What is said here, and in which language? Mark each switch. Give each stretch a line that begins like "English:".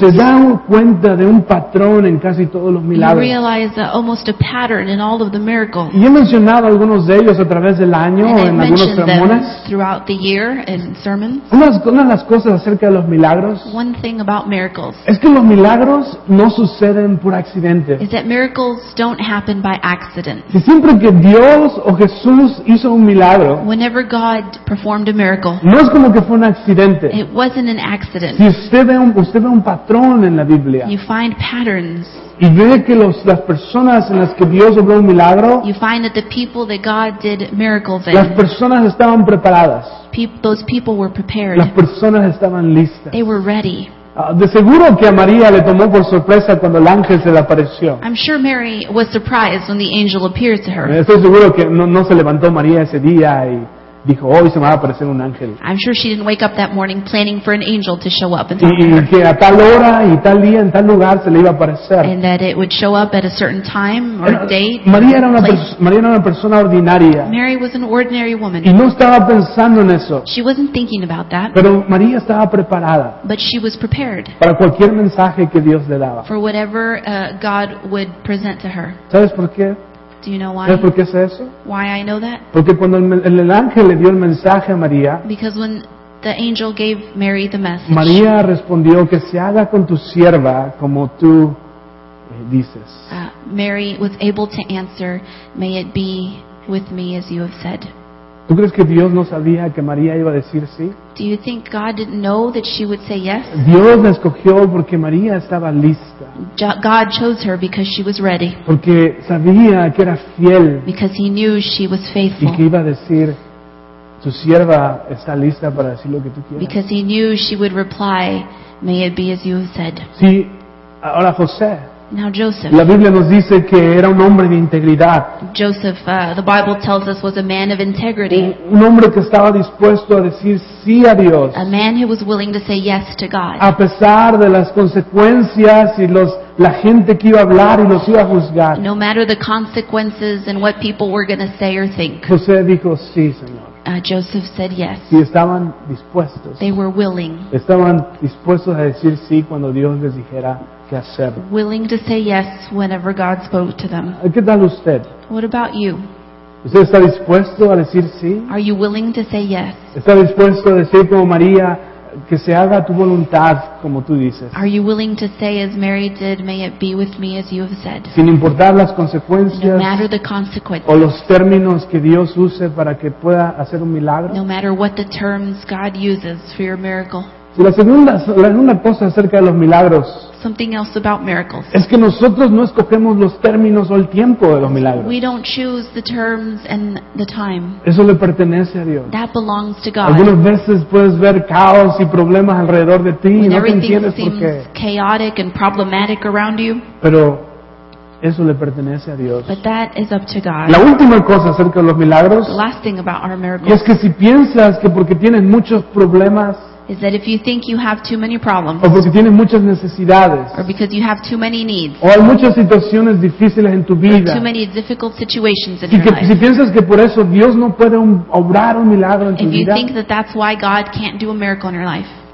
Spanish: se da cuenta de un patrón en casi todos los milagros.
English: You realize almost a pattern in all of the miracles.
Spanish: Y he mencionado algunos de ellos a través del año
English: and
Spanish: en algunos sermones.
English: Throughout the year in sermons.
Spanish: Una de las cosas acerca de los milagros.
English: One thing about miracles.
Spanish: Es que los milagros no suceden por accidente.
English: Is that miracles don't happen by accident.
Spanish: Si siempre que Dios o Jesús hizo un milagro,
English: whenever God performed a miracle,
Spanish: no es como que fue un accidente.
English: It wasn't an accident.
Spanish: Si usted ve un patrón en la Biblia,
English: you find patterns.
Spanish: Y ve que las personas en las que Dios obró un milagro,
English: you find that the people that God did miracles in,
Spanish: las personas estaban preparadas.
English: Those people were prepared.
Spanish: Las personas estaban listas.
English: They were ready.
Spanish: De seguro que a María le tomó por sorpresa cuando el ángel se le apareció.
English: I'm sure Mary was surprised when the angel appeared to her.
Spanish: Estoy seguro que no se levantó María ese día y dijo, hoy se me va a aparecer un ángel.
English: I'm sure she didn't wake up that morning planning for an angel to show up and talk
Spanish: y
English: to her.
Spanish: Y que a tal hora y tal día en tal lugar se le iba a aparecer.
English: And that it would show up at a certain time or date.
Spanish: María era una persona ordinaria.
English: Mary was an ordinary woman.
Spanish: Y no estaba pensando en eso.
English: She wasn't thinking about that.
Spanish: Pero María estaba preparada.
English: But she was prepared.
Spanish: Para cualquier mensaje que Dios le daba.
English: For whatever God would present to her.
Spanish: ¿Sabes por qué?
English: Do you know why?
Spanish: ¿Sabes por qué es eso?
English: Why I know that?
Spanish: Porque cuando el ángel le dio el mensaje a María,
English: because when the angel gave Mary the message,
Spanish: María respondió que se haga con tu sierva como tú dices.
English: Mary was able to answer, may it be with me as you have said.
Spanish: ¿Tú crees que Dios no sabía que María iba a decir sí?
English: Do you think God didn't know that she would say yes?
Spanish: Dios la escogió porque María estaba lista.
English: God chose her because she was ready.
Spanish: Porque sabía que era fiel.
English: Because he knew she was faithful.
Spanish: Y que iba a decir, tu sierva está lista para decir lo que tú quieras.
English: Because he knew she would reply, may it be as you have said.
Spanish: Sí, ahora José.
English: Now Joseph.
Spanish: La Biblia nos dice que era un hombre de integridad.
English: Joseph, the Bible tells us, was a man of integrity.
Spanish: Un hombre que estaba dispuesto a decir sí a Dios.
English: A man who was willing to say yes to God.
Spanish: A pesar de las consecuencias y la gente que iba a hablar y los iba a juzgar.
English: No matter the consequences and what people were going to say or think.
Spanish: José dijo sí, Señor.
English: Joseph said yes.
Spanish: Y estaban dispuestos.
English: They were willing.
Spanish: Estaban dispuestos a decir sí cuando Dios les dijera.
English: Willing to say yes whenever God spoke to them.
Spanish: ¿Qué tal usted?
English: What about you?
Spanish: ¿Usted está dispuesto a decir sí?
English: Are you willing to say yes?
Spanish: ¿Está dispuesto a decir como María, que se haga tu voluntad como tú dices?
English: Are you willing to say as Mary did, may it be with me as you have said?
Spanish: Sin importar las consecuencias,
English: no matter the consequences,
Spanish: o los términos que Dios use para que pueda hacer un milagro.
English: No matter what the terms God uses for your miracle.
Spanish: La segunda cosa acerca de los milagros,
English: something else about miracles,
Spanish: es que nosotros no escogemos los términos o el tiempo de los milagros.
English: We don't choose the terms and the time.
Spanish: Eso le pertenece a Dios.
English: That belongs to God.
Spanish: Algunas veces puedes ver caos y problemas alrededor de ti
English: when
Spanish: y no te entiendes
English: seems
Spanish: por qué.
English: Chaotic and problematic around you,
Spanish: pero eso le pertenece a Dios.
English: But that is up to God.
Spanish: La última cosa acerca de los milagros,
English: the last thing about our miracles,
Spanish: es que si piensas que porque tienes muchos problemas,
English: is that if you think you have too many problems,
Spanish: o porque tienes muchas necesidades,
English: or because you have too many needs,
Spanish: o hay muchas situaciones difíciles en tu vida,
English: too many difficult situations in
Spanish: y que,
English: your life,
Spanish: si piensas que por eso Dios no puede obrar un milagro en tu
English: if
Spanish: vida,
English: if you think that that's why God can't do a miracle in your life,